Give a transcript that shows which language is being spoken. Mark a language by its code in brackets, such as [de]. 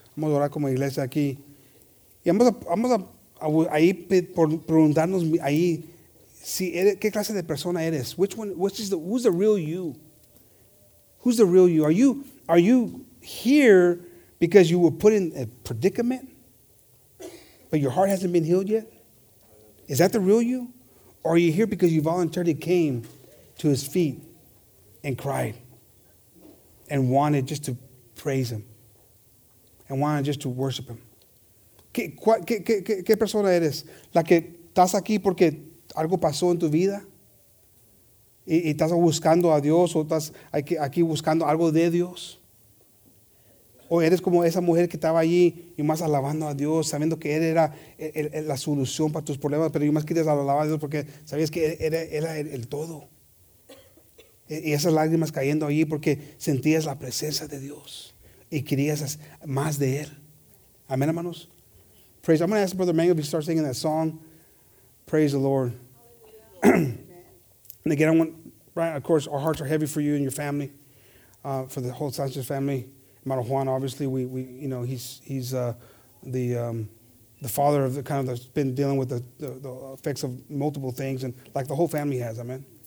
[es] Vamos a orar como iglesia aquí y vamos a ahí por preguntarnos ahí si eres, qué clase de persona eres. [en] Who's the real you? Who's the real you? Are you here because you were put in a predicament? But your heart hasn't been healed yet? Is that the real you? Or are you here because you voluntarily came to his feet and cried and wanted just to praise him and wanted just to worship him? [es] ¿Qué persona eres? ¿La que estás aquí porque algo pasó en tu vida? ¿Y estás buscando a Dios o estás aquí buscando algo de Dios? O eres como esa mujer que estaba allí y más alabando a Dios, sabiendo que Él era la solución para tus problemas, pero yo más querías alabar a Dios porque sabías que era el todo. Y esas lágrimas cayendo allí porque sentías la presencia de Dios y querías más de Él. Amén, hermanos. [en] Praise. I'm going to ask Brother Mango if he starts singing that song. Praise the Lord. And again, of course, our hearts are heavy for you and your family, for the whole Sanchez family. Marijuana, obviously, we you know he's the father of the kind of that's been dealing with the effects of multiple things, and like the whole family has, amen.